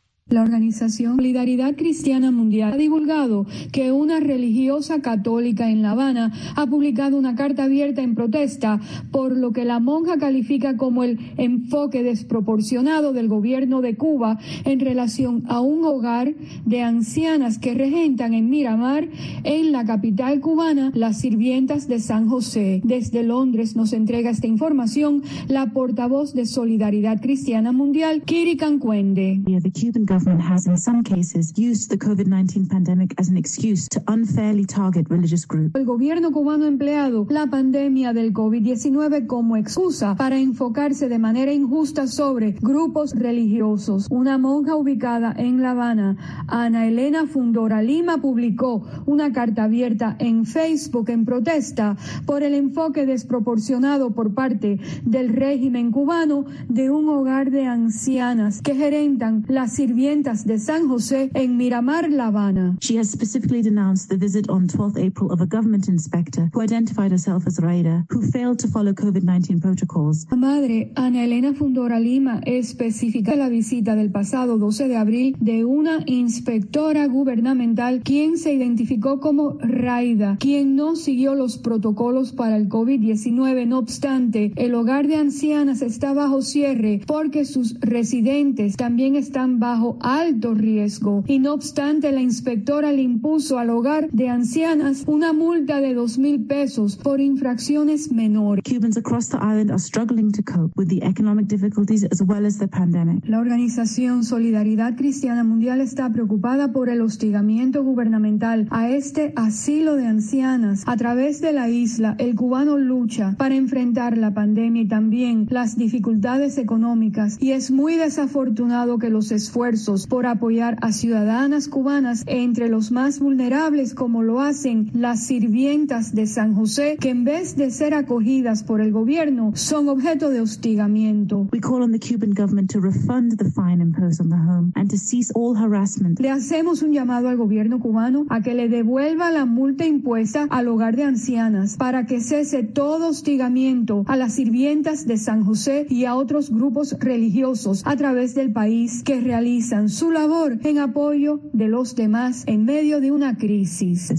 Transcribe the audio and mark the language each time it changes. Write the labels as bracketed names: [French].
[Spanish] La organización Solidaridad Cristiana Mundial ha divulgado que una religiosa católica en La Habana ha publicado una carta abierta en protesta por lo que la monja califica como el enfoque desproporcionado del gobierno de Cuba en relación a un hogar de ancianas que regentan en Miramar, en la capital cubana, las sirvientas de San José. Desde Londres nos entrega esta información la portavoz de Solidaridad Cristiana Mundial, Kiri Cancuende. [English] The government has in some cases used the COVID-19 pandemic as an excuse to unfairly target religious groups. [Spanish] El gobierno cubano ha empleado la pandemia del COVID-19 como excusa para enfocarse de manera injusta sobre grupos religiosos. Una monja ubicada en La Habana, Ana Elena Fundora Lima, publicó una carta abierta en Facebook en protesta por el enfoque desproporcionado por parte del régimen cubano de un hogar de ancianas que gerentan las sirvientas de San José en Miramar, La Habana. [English] She has specifically denounced the visit on 12th April of a government inspector who identified herself as Raida, who failed to follow COVID-19 protocols. [Spanish] La madre Ana Elena Fundora Lima especifica la visita del pasado 12 de abril de una inspectora gubernamental quien se identificó como Raida, quien no siguió los protocolos para el COVID-19. No obstante, el hogar de ancianas está bajo cierre porque sus residentes también están bajo alto riesgo. Y no obstante, la inspectora le impuso al hogar de ancianas una multa de $2,000 por infracciones menores. [English] Cubans across the island are struggling to cope with the economic difficulties as well as the pandemic. [Spanish] La organización Solidaridad Cristiana Mundial está preocupada por el hostigamiento gubernamental a este asilo de ancianas. A través de la isla, el cubano lucha para enfrentar la pandemia y también las dificultades económicas. Y es muy desafortunado que los esfuerzos por apoyar a ciudadanas cubanas entre los más vulnerables, como lo hacen las sirvientas de San José, que en vez de ser acogidas por el gobierno, son objeto de hostigamiento. [English] We call on the Cuban government to refund the fine imposed on the home and to cease all harassment. [Spanish] Le hacemos un llamado al gobierno cubano a que le devuelva la multa impuesta al hogar de ancianas para que cese todo hostigamiento a las sirvientas de San José y a otros grupos religiosos a través del país que realizan su labor en apoyo de los demás en medio de una crisis.